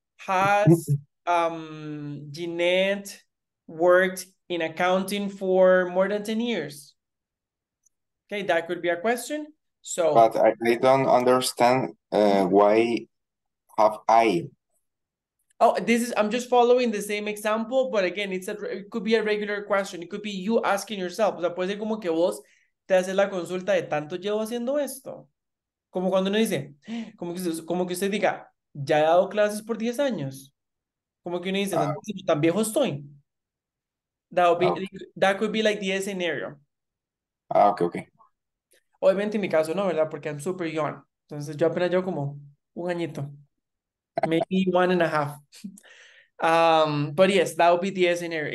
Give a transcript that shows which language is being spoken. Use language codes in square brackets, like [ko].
[en] Has Jeanette worked in accounting for more than 10 years? Okay, that could be a question. So, but I don't understand why have I. Oh, I'm just following the same example, but again, it could be a regular question. It could be you asking yourself. [es] O sea, puede ser como que vos te haces la consulta de tanto llevo haciendo esto. Como cuando uno dice, como que usted diga, ya he dado clases por 10 años. Como que uno dice, tan viejo estoy. [en] That would be, okay. That could be like the scenario. Ah, okay. [es] Obviamente en mi caso no, ¿verdad? Porque [en] I'm super young. [es] Entonces yo apenas llevo como un añito. [en] Maybe one and a half. But yes, that would be the scenario.